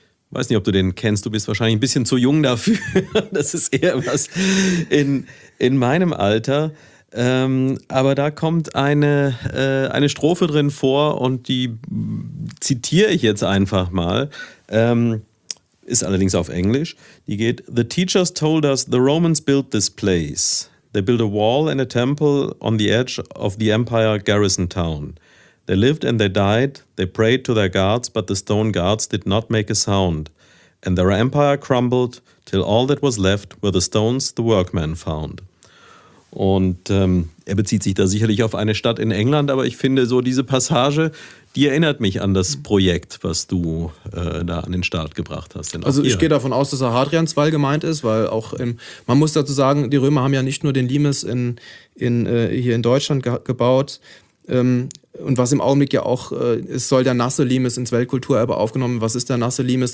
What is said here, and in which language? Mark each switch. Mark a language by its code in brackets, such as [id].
[de] Weiß nicht, ob du den kennst, du bist wahrscheinlich ein bisschen zu jung dafür. Das ist eher was in meinem Alter. Aber da kommt eine Strophe drin vor und die zitiere ich jetzt einfach mal. Ist allerdings auf Englisch. Die geht: [en] The teachers told us the Romans built this place. They built a wall and a temple on the edge of the empire garrison town. They lived and they died, they prayed to their gods, but the stone gods did not make a sound. And their empire crumbled, till all that was left were the stones the workmen found. [de] Und er bezieht sich da sicherlich auf eine Stadt in England, aber ich finde so diese Passage, die erinnert mich an das Projekt, was du da an den Start gebracht hast. Also ich gehe davon aus, dass er Hadrianswall gemeint ist, weil auch man muss dazu sagen, die Römer haben ja nicht nur den Limes hier in Deutschland gebaut, und was im Augenblick ja auch ist, soll der Nasse Limes ins Weltkulturerbe aufgenommen. Was ist der Nasse Limes?